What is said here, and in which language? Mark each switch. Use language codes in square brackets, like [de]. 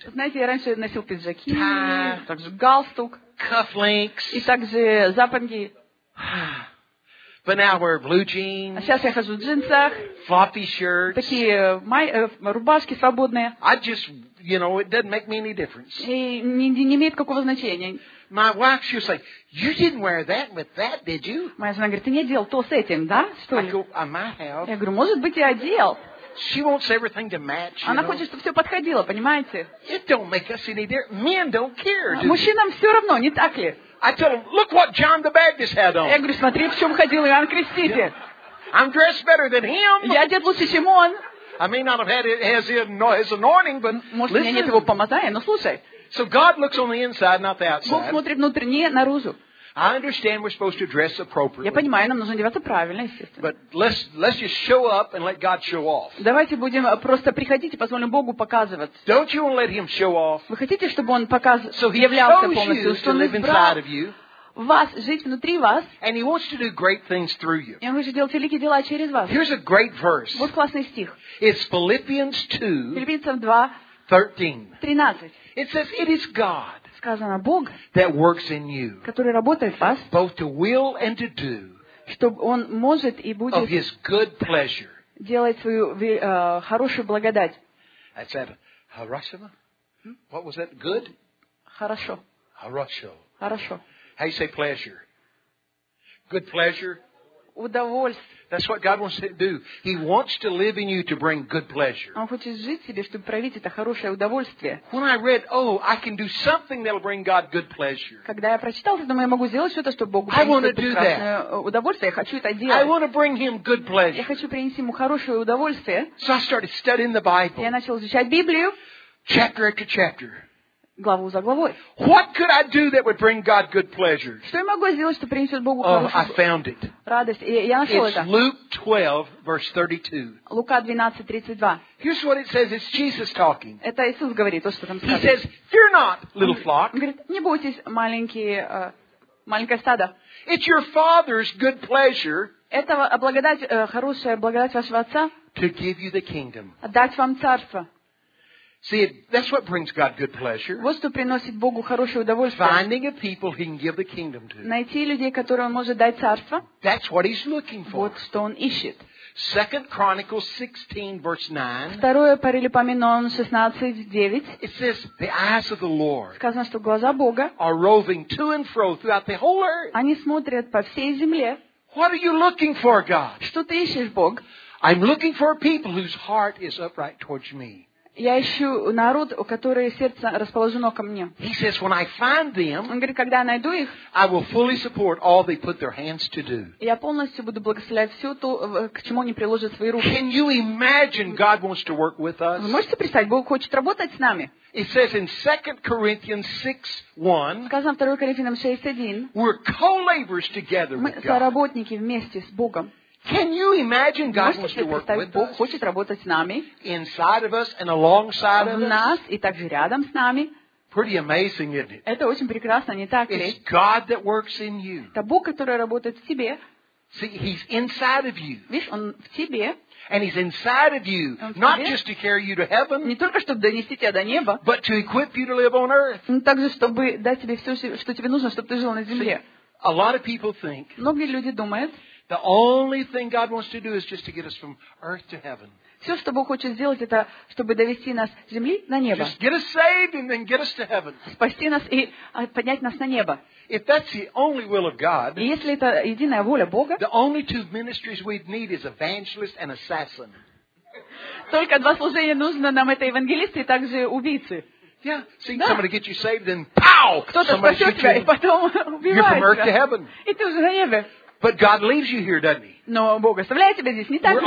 [ru] Знаете, я раньше носил пиджаки, [en] tie, [ru] также галстук, [en] cufflinks, [ru] и также запонки. [en] But now I wear blue jeans. [ru] А сейчас я хожу в джинсах. [en] Floppy shirts. [ru] Такие рубашки свободные. [en] I just, you know, it doesn't make me any difference. [ru] И не имеет какого значения. [en] My wife, she was like, "You didn't wear that with that, did you?" [ru] Моя жена говорит, ты не одел то с этим, да? Что ли? [en] I go, I might have. [ru] Я говорю, может быть, я одел. [en] She wants everything to match. [ru] Она хочет, чтобы все подходило, понимаете? [en] It don't make us any difference. Men don't care. [ru] Мужчинам все равно, не так ли? [en] I told him, look what John the Baptist had on. [ru] Я говорю, смотри, в чем ходил Иоанн Креститель. [en] I'm dressed better than him. [ru] Я одет лучше, чем он. [en] I may not have had his anointing, but [ru] может, у меня нет его помазания, но слушай. [en] So God looks on the inside, not the outside. [ru] Бог смотрит внутрь, не наружу. [en] I understand we're supposed to dress appropriately. [ru] Я понимаю, нам нужно одеваться правильно, естественно. [en] But let's just show up and let God show off. [ru] Давайте будем просто приходить и позволим Богу показываться. [en] Don't you want to let Him show off? [ru] Вы хотите, чтобы Он являлся полностью, что Он избрал вас, жить внутри вас? [en] And He wants to do great things through you. [ru] И Он хочет делать великие дела через вас. [en] Here's a great verse. [ru] Вот классный стих. [en] It's Philippians 2. [ru] Филиппийцам 2:13. [en] It says, "It is God." [ru] Сказано, Бог, [en] that works in you, [ru] который работает в вас, [en] both to will and to do, [ru] что Он может и будет [en] of His good pleasure. [ru] Делать свою хорошую благодать. [en] I said, Harashima? What was that? Good? [ru] Хорошо. Хорошо. Хорошо. [en] How you say pleasure? Good pleasure? [ru] Удовольствие. [en] That's what God wants to do. He wants to live in you to bring good pleasure. [ru] Он хочет жить в тебе, чтобы проявить это хорошее удовольствие. [en] When I read, oh, I can do something that'll bring God good pleasure. [ru] Когда я прочитал, я думаю, я могу сделать что-то, чтобы Богу принести прекрасное удовольствие. Я хочу это делать. [en] I want to bring Him good pleasure. [ru] Я хочу принести ему хорошее удовольствие. [en] So I started studying the Bible. [ru] Я начал изучать Библию. [en] Chapter after chapter. [ru] Главу за главой. [en] What could I do that would bring God good pleasure? [ru] Что я могу сделать, что принесет Богу радость? [en] Oh, [ru] я нашел [en] it's [ru] это. [en] Luke 12, verse 32. [ru] Лука 12:32. [en] Here's what it says. It's Jesus talking. [ru] Это Иисус говорит, то, что там сказано. [en] He says, "Fear not, little flock." [ru] Он говорит, не бойтесь, маленькое стадо. [en] It's your Father's good pleasure. [ru] Это благодать, хорошая благодать вашего Отца. [en] To give you the kingdom. [ru] Дать вам царство. [en] See, that's what brings God good pleasure. [ru] Вот что приносит Богу хорошее удовольствие. [en] Finding a people He can give the kingdom to. [ru] Найти людей, которым Он может дать царство. [en] That's what He's looking for. [ru] Вот что Он ищет. [en] 2 Chronicles 16, verse 9. [ru] Второе Паралипоменон 16:9. [en] It says, "The eyes of the Lord." [ru] Сказано, что глаза Бога. [en] Are roving to and fro throughout the whole earth. [ru] Они смотрят по всей земле. [en] What are you looking for, God? [ru] Что ты ищешь, Бог? [en] I'm looking for a people whose heart is upright towards me. [ru] Я ищу народ, у которого сердце расположено ко мне. [en] He says, when I find them, [ru] он говорит, когда я найду их, [en] I will fully support all they put their hands to do. [ru] Я полностью буду благословлять все то, к чему они приложат свои руки. [en] Can you imagine God wants to work with us? [ru] Вы можете представить, Бог хочет работать с нами? [en] It says in 2 Corinthians 6:1. [ru] Сказано 2 Коринфянам 6:1. [en] We're co-laborers together with God. [ru] Мы соработники вместе с Богом. [en] Can you imagine God wants to work with us? [ru] Бог хочет работать с нами. [en] Inside of us and alongside of us. [ru] В нас и также рядом с нами. [en] Pretty amazing, isn't it? [ru] Это очень прекрасно, не так ли? [en] It's God that works in you. [ru] Это Бог, который работает в тебе. [en] See, He's inside of you. [ru] Видишь, Он в тебе. [en] And He's inside of you, not just to carry you to heaven, [ru] не только чтобы донести тебя до неба, [en] but to equip you to live on earth. [ru] Но также чтобы дать тебе все, что тебе нужно, чтобы ты жил на земле. [en] A lot of people think. [ru] Многие люди думают. [en] The only thing God wants to do is just to get us from earth to heaven. [ru] Все, что Бог хочет сделать, это чтобы довести нас с земли на небо. [en] Just get us saved and then get us to heaven. [ru] Спасти нас и поднять нас на небо. [en] If that's the only will of God, [ru] если это единая воля Бога, [en] the only two ministries we'd need is evangelist and assassin. [ru] Только два служения нужно нам, это евангелисты и также убийцы. [en] Yeah, see, [ru] да. [en] Somebody get you saved, then pow! [ru] Кто-то спасет тебя, и потом убивает тебя. [en] You're from earth to heaven. [ru] И ты уже на небе. [en] But God leaves you here, doesn't He? [ru] Но Бог оставляет тебя здесь, не так ли?